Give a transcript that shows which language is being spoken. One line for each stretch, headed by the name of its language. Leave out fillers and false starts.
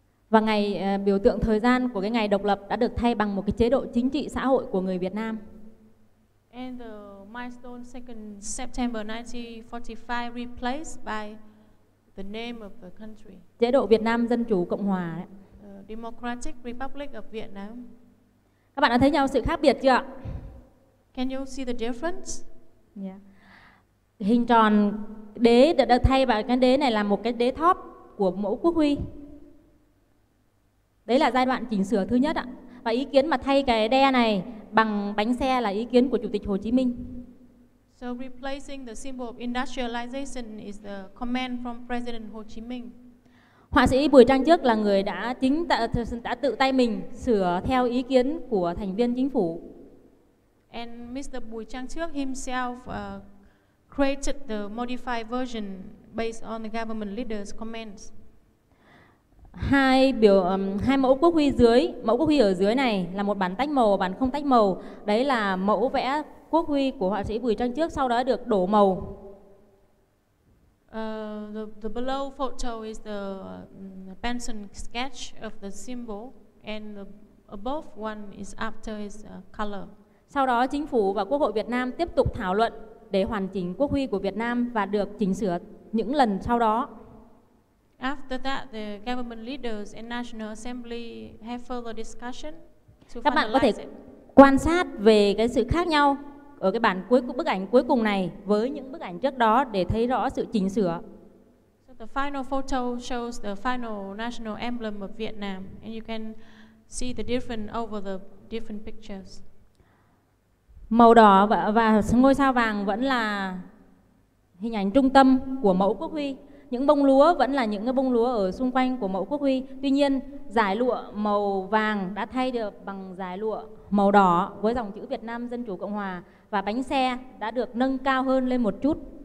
Vietnamese: Và ngày biểu tượng thời gian của cái ngày độc lập đã được thay bằng một cái chế độ chính trị xã hội của người Việt Nam.
English: And the milestone 2 September 1945 replaced by the name of the country.
Vietnamese: Chế độ Việt Nam Dân Chủ Cộng Hòa.
English: Democratic Republic of Vietnam.
Vietnamese: Các bạn đã thấy nhau sự khác biệt chưa?
English: Can you see the difference? Yeah.
Vietnamese: Hình tròn đế đã được thay vào cái đế này là một cái đế thóp của mẫu quốc huy. Đấy là giai đoạn chỉnh sửa thứ nhất ạ. Và ý kiến mà thay cái đe này bằng bánh xe là ý kiến của Chủ tịch Hồ Chí Minh.
English: So replacing the symbol of industrialization is the command from President Ho Chi Minh.
Vietnamese: Họa sĩ Bùi Trang Trước là người đã tự tay mình sửa theo ý kiến của thành viên chính phủ.
English: And Mr. Bùi Trang Trước himself created the modified version based on the government leader's comments.
Vietnamese: Hai mẫu quốc huy dưới, mẫu quốc huy ở dưới này là một bản tách màu, bản không tách màu. Đấy là mẫu vẽ quốc huy của họa sĩ Bùi Trang Trước, sau đó được đổ màu.
English: The below photo is the pencil sketch of the symbol, and the above one is after his color.
Vietnamese: Sau đó chính phủ và Quốc hội Việt Nam tiếp tục thảo luận để hoàn chỉnh quốc huy của Việt Nam và được chỉnh sửa những lần sau đó.
English: After that, the government leaders and National Assembly have further discussion to
Vietnamese: Các bạn có thể
English: it.
Vietnamese: Quan sát về cái sự khác nhau ở cái bản cuối bức ảnh cuối cùng này với những bức ảnh trước đó để thấy rõ sự chỉnh sửa.
English: So the final photo shows the final national emblem of Vietnam, and you can see the difference over the different pictures.
Vietnamese: Màu đỏ và ngôi sao vàng vẫn là hình ảnh trung tâm của mẫu quốc huy. Những bông lúa vẫn là những cái bông lúa ở xung quanh của mẫu quốc huy. Tuy nhiên, dải lụa màu vàng đã thay được bằng dải lụa màu đỏ với dòng chữ Việt Nam Dân Chủ Cộng Hòa, và bánh xe đã được nâng cao hơn lên một chút.